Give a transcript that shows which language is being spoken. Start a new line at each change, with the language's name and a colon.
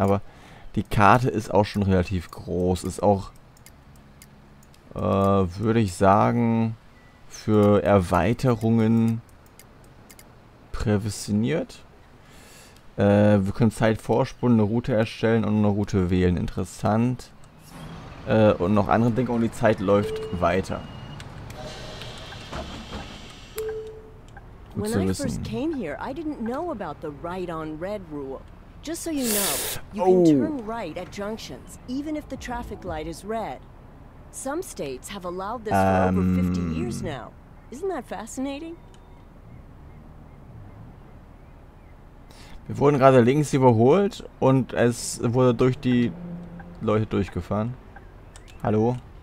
German: Aber die Karte ist auch schon relativ groß. Ist auch, würde ich sagen, für Erweiterungen prävisioniert. Wir können Zeit vorspulen, eine Route erstellen und eine Route wählen. Interessant. Und noch andere Dinge und die Zeit läuft weiter. Gut zu wissen.
English: When I first came here, I didn't know about the right on red rule. Just so you know, you can turn right at junctions, even if the traffic light is red. Some states have allowed this for over 50 years now. Isn't that fascinating?
German: Wir wurden gerade links überholt und es wurde durch die Leute durchgefahren. Hallo?